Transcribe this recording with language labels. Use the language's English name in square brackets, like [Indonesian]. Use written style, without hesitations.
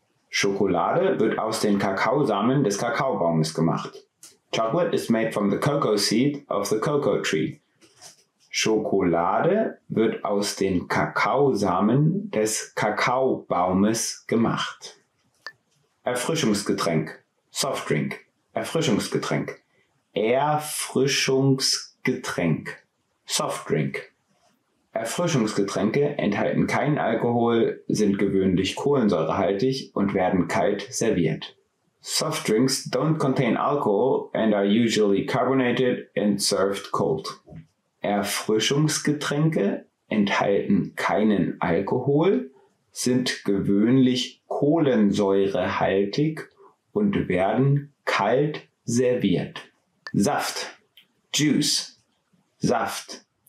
[German] Schokolade wird aus den Kakaosamen des Kakaobaumes gemacht. [English] Chocolate is made from the cocoa seed of the cocoa tree. [German] Schokolade wird aus den Kakaosamen des Kakaobaumes gemacht. Erfrischungsgetränk, [English] soft drink. [German] Erfrischungsgetränk. Erfrischungsgetränk, [English] soft drink. [German] Erfrischungsgetränke enthalten keinen Alkohol, sind gewöhnlich kohlensäurehaltig und werden kalt serviert. [English] Soft drinks don't contain alcohol and are usually carbonated and served cold. [German] Erfrischungsgetränke enthalten keinen Alkohol, sind gewöhnlich kohlensäurehaltig und werden kalt serviert. Saft. Juice. Saft.